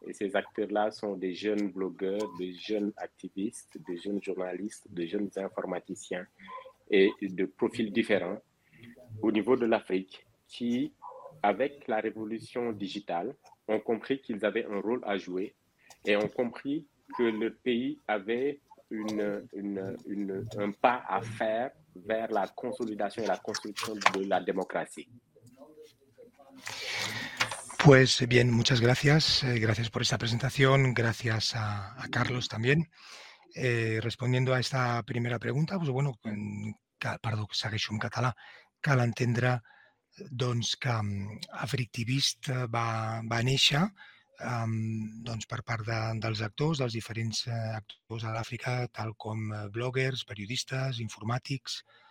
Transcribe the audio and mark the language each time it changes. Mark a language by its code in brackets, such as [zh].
[fr] Et ces acteurs-là sont des jeunes blogueurs, des jeunes activistes, des jeunes journalistes, des jeunes informaticiens et de profils différents au niveau de l'Afrique qui, avec la révolution digitale, ont compris qu'ils avaient un rôle à jouer et ont compris que le pays avait un pas à faire vers la consolidation et la construction de la démocratie. [es] Pues bien, muchas gracias. Gracias por esta presentación. Gracias a Carlos también. Respondiendo a esta primera pregunta, pues bueno, [ca] perdó, segueixo en català. Cal entendre, doncs, que Afriktivist va néixer doncs, per part dels actors, dels diferents actors de l'Àfrica, tal com bloggers, periodistes, informàtics...